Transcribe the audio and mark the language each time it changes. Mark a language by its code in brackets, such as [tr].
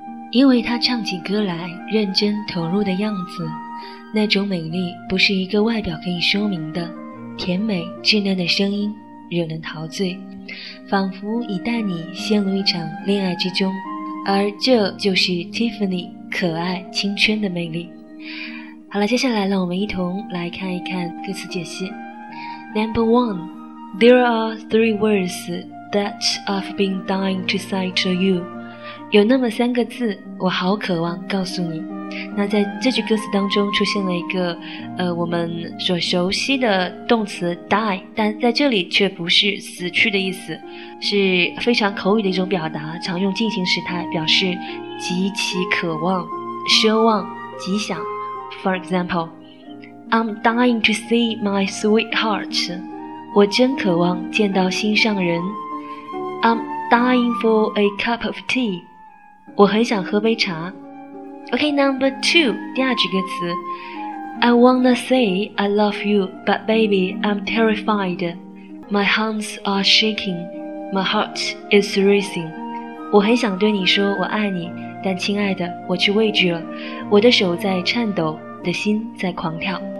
[zh] 因为他唱起歌来认真投入的样子，那种美丽不是一个外表可以说明的，甜美稚嫩的声音惹人陶醉，仿佛已带你陷入一场恋爱之中，而这就是 Tiffany 可爱青春的魅力。好了，接下来让我们一同来看一看歌词解析。 [en] Number one, There are three words that I've been dying to say to you. [zh] 有那么三个字我好渴望告诉你。那在这句歌词当中出现了一个我们所熟悉的动词 die， 但在这里却不是死去的意思，是非常口语的一种表达，常用进行时态表示极其渴望、奢望、极想。 [en] For example, I'm dying to see my sweetheart. [zh] 我真渴望见到心上人。 [en] I'm dying for a cup of tea. [zh] 我很想喝杯茶。 [en] OK, number two, [zh] 第二句歌词。 [en] I wanna say I love you, but baby, I'm terrified. My hands are shaking, my heart is racing. [zh] 我很想对你说我爱你，但亲爱的，我却畏惧了。我的手在颤抖，的心在狂跳。